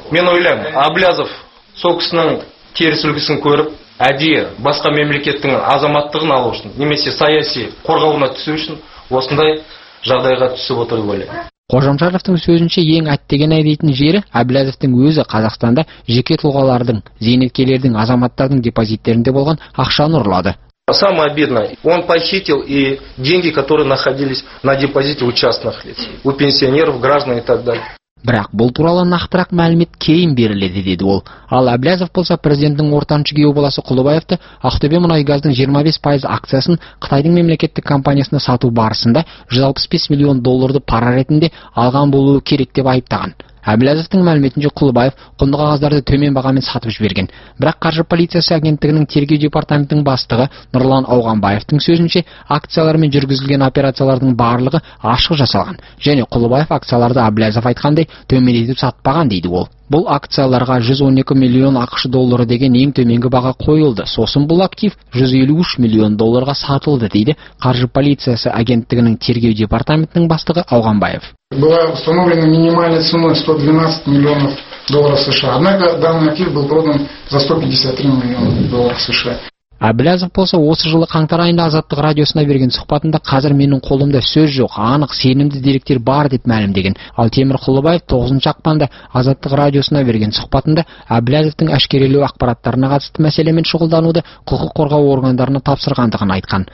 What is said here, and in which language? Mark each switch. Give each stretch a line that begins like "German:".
Kazakh: Мен ойлаймын, Әблязов сол кісінің теріс үлгісін көріп, әдейі басқа мемлекеттің азаматтығын алу үшін немесе саяси қорғауына түсу үшін осындай жағдайға түсіп отыр, ойлаймын. Қожамжаровтың сөзінше, ең әттеген ай дейтін жері Әблязовтың өзі Қазақстанда жеке тұлғалардың, зейнеткерлердің, азаматтардың депозиттерінде болған ақшаны ұрлады.
Russian: Самое обидное, он похитил и деньги, которые находились на депозите у частных лиц, у пенсионеров, граждан и так далее.
Kazakh: Бірақ бұл туралы нақтырақ мәлімет кейін беріледі, деді ол. Ал Әблязов болса, президенттің ортаншы күйеу баласы Құлыбаевты Ақтөбе мұнайгаздың 25% акциясын Қытайдың мемлекеттік компаниясына сату барысында 165 миллион долларды пара ретінде алған болуы керек деп айыптаған. Әбіләзовтың мәліметінше Құлыбаев құнды қағаздарды төмен бағамен сатып жіберген. Бірақ қаржы полициясы агенттігінің тергеу департаментінің бастығы Нұрлан Ауғанбаевтың сөзінше, акциялармен жүргізілген операциялардың барлығы ашық жасалған. Және Құлыбаев акцияларды Әбіләзов айтқандай төмендетіп сатпаған дейді ол. Бұл акцияларға 112 миллион ақшы доллары деген ең төменгі баға қойылды. Сосын бұл актив 153 миллион долларға сатылды дейді қаржы полициясы агенттігінің тергеу департаментінің бастығы Ауғанбаев.
Russian: Была установлена минимальная цена 112 миллионов долларов США. Однако данный актив был продан за 153 миллиона долларов США.
Kazakh: Әбіләзов болса осы жылы қаңтар айында Азаттық радиосына берген сұхбатында қазір менің қолымда сөз жоқ, анық сенімді деректер бар деп мәлімдеген. Ал Темір Құлыбаев 9 ақпанда Азаттық радиосына берген сұхбатында Әбіләзовтың әшкерелеу ақпараттарына қатысты мәселемен шұғылдануды құқық қорғау органдарына тапсырғандығын айтқан.